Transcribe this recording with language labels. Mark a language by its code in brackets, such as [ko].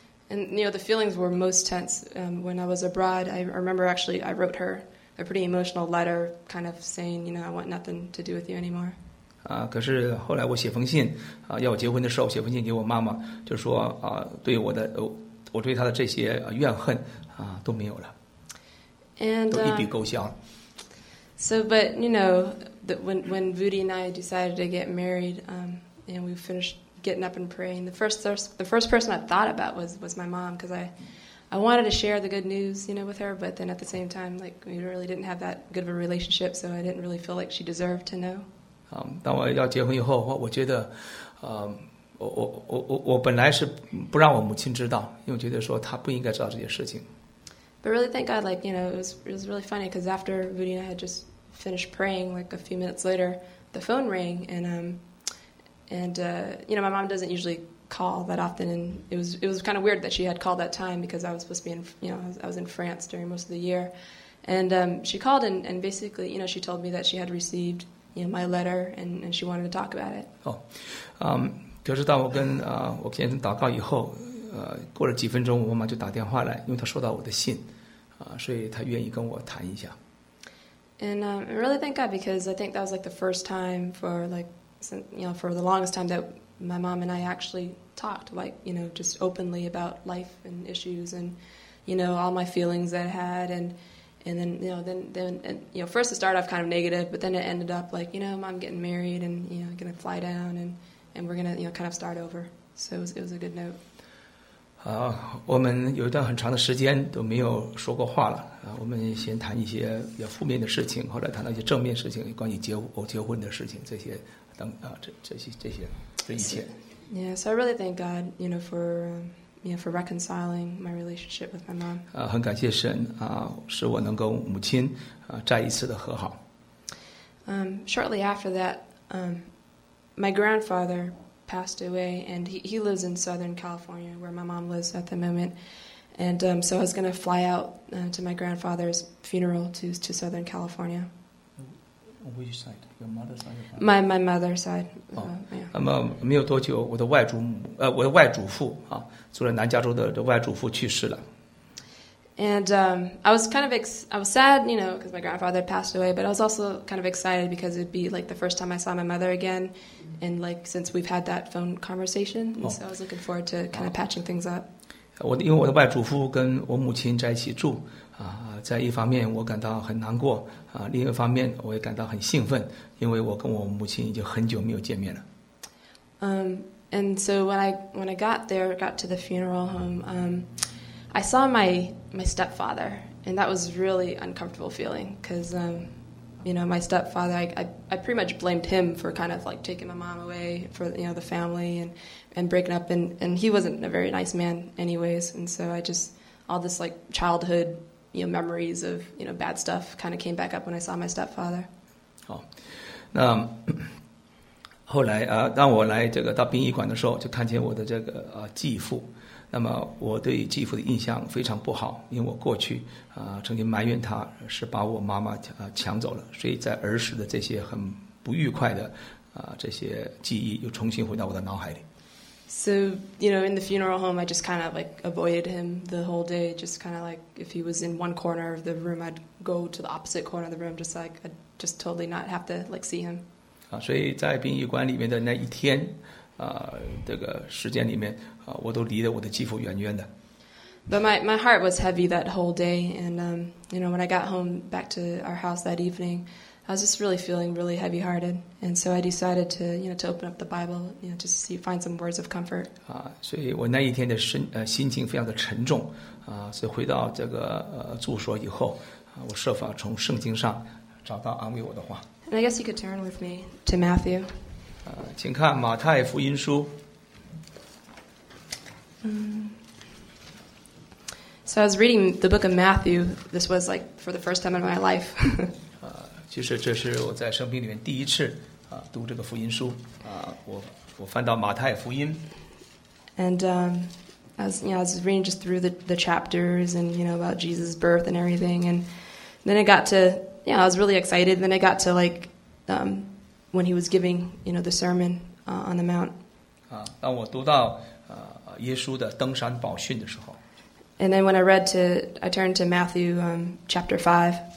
[en] And you know the feelings were most tense when I was abroad. I remember actually I wrote her a pretty emotional letter, kind of saying, you know, I want nothing to do with you anymore. [zh] 可是后来我写封信，要我结婚的时候写封信给我妈妈，就说对我的。我对他的这些怨恨都没有了，都一笔勾销了。 [en] So, but you know, when Vudi and I decided to get married, and we finished getting up and praying, the first person I thought about was my mom, because I wanted to share the good news, you know, with her. But then at the same time, like we really didn't have that good of a relationship, so I didn't really feel like she deserved to know. [zh] 当我要结婚以后，我觉得，我本来是不让我母亲知道，因为觉得说她不应该知道这些事情。 [en] But really, thank God, like you know, it was really funny because after Vudi and I had just finished praying, like a few minutes later, the phone rang, and you know, my mom doesn't usually call that often, and it was kind of weird that she had called that time because I was supposed to be in, you know, I was in France during most of the year, and she called and basically, you know, she told me that she had received, you know, my letter and she wanted to talk about it. Oh. [zh] 可是当我跟我先生祷告以后，过了几分钟，我妈妈就打电话来，因为她收到我的信，所以她愿意跟我谈一下。 [en] And I really thank God because I think that was like the first time for like you know for the longest time that my mom and I actually talked like you know just openly about life and issues and you know all my feelings that I had and then you know then and, you know first it started off kind of negative but then it ended up like you know mom getting married and you know gonna fly down and we're gonna, you know, kind of start over. So it was a good note. [zh] 我们有一段很长的时间都没有说过话了。我们先谈一些比较负面的事情，后来谈到一些正面事情，关于结婚的事情，这些等这些。 [en] So I really thank God, you know, for reconciling my relationship with my mom. [zh] 很感谢神使我能跟母亲再一次的和好。 [en] Shortly after that, my grandfather passed away, and he lives in Southern California, where my mom lives at the moment. And so I was going to fly out to my grandfather's funeral to Southern California. Which side? Your mother's side? My mother's side. [zh] 没有多久，我的外祖母，我的外祖父啊，住在南加州的外祖父去世了。 [en] And I was sad, you know, because my grandfather had passed away, but I was also kind of excited because it'd be like the first time I saw my mother again, and like since we've had that phone conversation, and so I was looking forward to kind of patching things up. [zh] 因为我的外祖父跟我母亲在一起住，在一方面我感到很难过，另一方面我也感到很兴奋，因为我跟我母亲已经很久没有见面了。 [en] And so when I got to the funeral home, I saw my stepfather, and that was really uncomfortable feeling because, you know, my stepfather, I pretty much blamed him for kind of like taking my mom away for, you know, the family and breaking up. And he wasn't a very nice man anyways. And so I just, all this like childhood, you know, memories of, you know, bad stuff kind of came back up when I saw my stepfather. Oh. 那 [zh] 后来啊，当我来这个到殡仪馆的时候，就看见我的这个继父。那么我对继父的印象非常不好，因为我过去曾经埋怨他是把我妈妈抢走了，所以在儿时的这些很不愉快的这些记忆又重新回到我的脑海里。 [en] So, you know, in the funeral home, I just kind of like avoided him the whole day. Just kind of like if he was in one corner of the room, I'd go to the opposite corner of the room, just like I'd just totally not have to like see him. [zh] 啊，所以在殡仪馆里面的那一天，这个时间里面，我都离得我的继父远远的。 [en] But my heart was heavy that whole day, and you know, when I got home back to our house that evening, I was just really feeling really heavy-hearted, and so I decided to, you know, to open up the Bible, you know, just see, find some words of comfort. [zh] 啊，所以我那一天的心情非常的沉重，啊，所以回到这个住所以后，我设法从圣经上找到安慰我的话。 [en] And I guess you could turn with me to Matthew. [zh] 请看马太福音书。 [en] So I was reading the book of Matthew. This was like for the first time in my life. [zh] 其实这是我在生命里面第一次读这个福音书我翻到马太福音。 [en] And as you know, I was reading just through the chapters and you know about Jesus' birth and everything. And then I got to I was really excited. And then I got to like when he was giving you know the sermon on the mount. [zh] 当我读到耶稣的登山宝训的时候。 [en] And then when I read to, I turned to Matthew chapter 5.